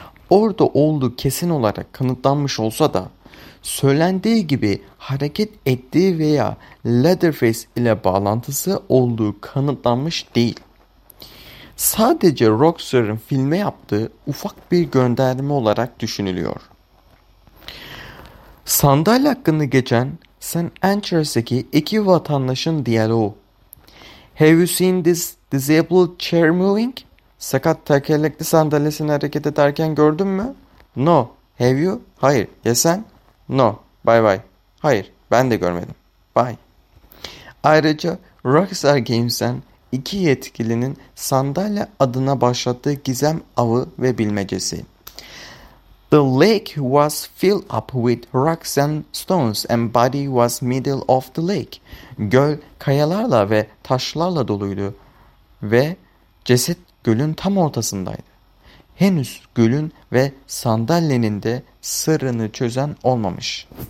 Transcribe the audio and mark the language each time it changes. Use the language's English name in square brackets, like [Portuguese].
[Turkish] Orada olduğu kesin olarak kanıtlanmış olsa da söylendiği gibi hareket ettiği veya Leatherface ile bağlantısı olduğu kanıtlanmış değil. Sadece Rockstar'ın filme yaptığı ufak bir gönderme olarak düşünülüyor. Sandalye hakkında geçen San Andreas'taki iki vatandaşın diyaloğu. [English] Have you seen this disabled chair moving? [Turkish] Sakat tekerlekli sandalyesini hareket ederken gördün mü? [English] No. Have you? [Turkish] Hayır. Ya sen? [English] No. Bye bye. [Turkish] Hayır. Ben de görmedim. [English] Bye. [Turkish] Ayrıca Rockstar Games'ten İki yetkilinin sandalye adına başlattığı gizem avı ve bilmecesi. [English] The lake was filled up with rocks and stones and body was middle of the lake. [Turkish] Göl kayalarla ve taşlarla doluydu ve ceset gölün tam ortasındaydı. Henüz gölün ve sandalyenin de sırrını çözen olmamış.